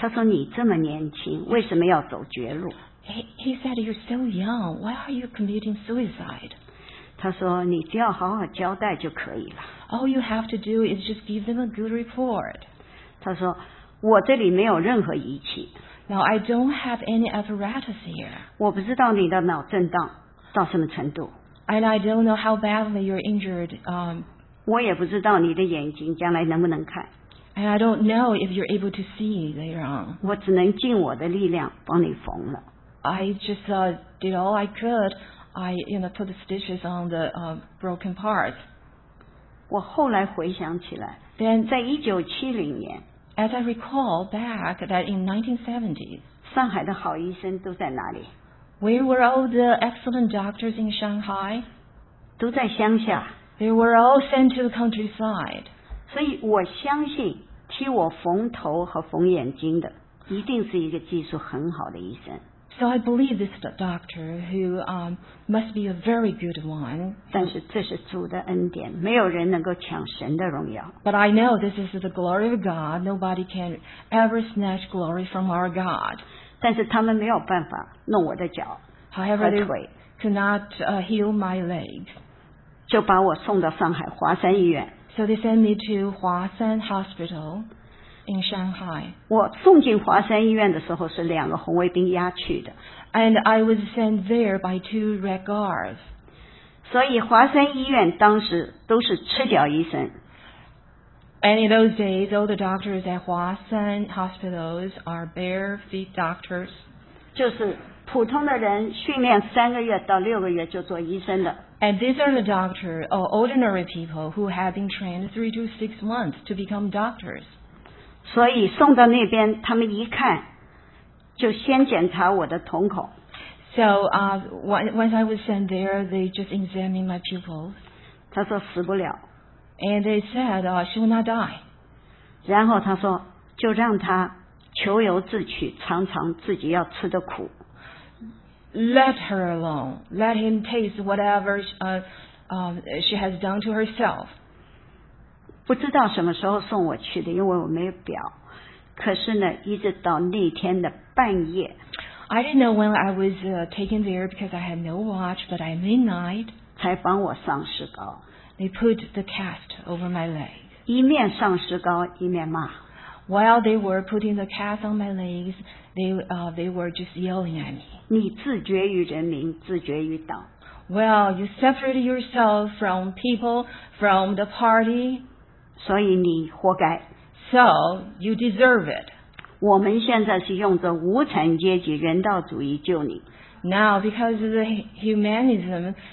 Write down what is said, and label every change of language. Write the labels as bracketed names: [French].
[Chinese] 他说你这么年轻，为什么要走绝路？ [English] He said, you're so young. Why are you committing suicide? [Chinese] 他说你只要好好交代就可以了。 [English] All you have to do is just give them a good report. [Chinese] 他说我这里没有任何仪器。 [English] Now, I don't have any apparatus here. [Chinese] 我不知道你的脑震荡到什么程度。 [English] And I don't know how badly you're injured. [Chinese] 我也不知道你的眼睛将来能不能看。 [English] And I don't know if you're able to see later on. [Chinese] 我只能尽我的力量帮你缝了。 [English] I just did all I could. I, you know, put the stitches on the broken part. [Chinese] 我后来回想起来。 [English] Then, [Chinese] 在1970年。 [English] As I recall back that in 1970s, [Chinese] 上海的好医生都在哪里? [English] Where were all the excellent doctors in Shanghai? [Chinese] 都在乡下。 [English] They were all sent to the countryside. [Chinese] 所以我相信替我缝头和缝眼睛的一定是一个技术很好的医生。 [English] So I believe this doctor who must be a very good one. [Chinese] 但是这是主的恩典，没有人能够抢神的荣耀。 [English] But I know this is the glory of God. Nobody can ever snatch glory from our God. [Chinese] 但是他们没有办法弄我的脚和腿。 [English] However, they could not heal my legs. [Chinese] 就把我送到上海华山医院。 [English] So they sent me to Hua San Hospital. In Shanghai. [Chinese] 我送进华山医院的时候是两个红卫兵押去的。 [English] And I was sent there by two Red Guards. [Chinese] 所以华山医院当时都是赤脚医生。 [English] And in those days, all the doctors at Hua San hospitals are bare feet doctors. [Chinese] 就是普通的人训练三个月到六个月就做医生的。 [English] And these are the doctors, or ordinary people, who have been trained 3 to 6 months to become doctors. [Chinese] 所以送到那边他们一看就先检查我的瞳孔。 [English] So, once I was sent there, they just examined my pupils. [Chinese] 他说死不了。 [English] And they said, she will not die. [Chinese] 然后他说就让他咎由自取，尝尝自己要吃的苦。 [English] Let her alone. Let him taste whatever she has done to herself. [Chinese] 不知道什么时候送我去的，因为我没有表。可是呢，一直到那天的半夜。 [English] I didn't know when I was taken there because I had no watch, but at midnight. [Chinese] 才帮我上石膏。 [English] They put the cast over my leg. [Chinese] 一面上石膏，一面骂。 [English] While they were putting the cast on my legs, they were just yelling at me. [Chinese] 你自绝于人民，自绝于党。 [English] Well, you separated yourself from people, from the party. [Chinese] 所以你活该。 [English] So, you deserve it. [Chinese] 我们现在是用着无产阶级人道主义救你。 [English] Now, because of the humanism,